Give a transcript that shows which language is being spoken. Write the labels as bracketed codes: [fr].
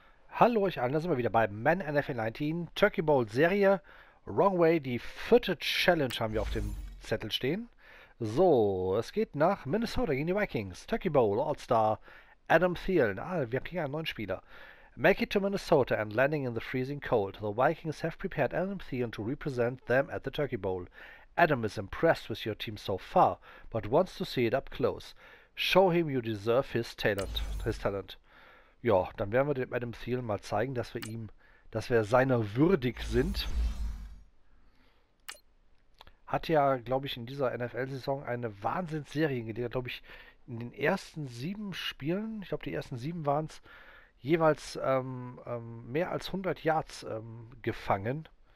[de] Hallo euch allen, da sind wir wieder bei Men NFL 19, Turkey Bowl Serie, Wrong Way, die vierte Challenge haben wir auf dem Zettel stehen. So, es geht nach Minnesota gegen die Vikings. Turkey Bowl, All-Star, Adam Thielen. Ah, wir kriegen einen neuen Spieler. [en] Make it to Minnesota and landing in the freezing cold. The Vikings have prepared Adam Thielen to represent them at the Turkey Bowl. Adam is impressed with your team so far, but wants to see it up close. Show him you deserve his talent. [de] Ja, dann werden wir dem Adam Thielen mal zeigen, dass wir ihm, dass wir seiner würdig sind. Hat ja, glaube ich, in dieser NFL-Saison eine Wahnsinnsserie gelegt. Glaube ich, in den ersten 7 Spielen, ich glaube, die ersten 7 waren es, jeweils mehr als 100 Yards gefangen.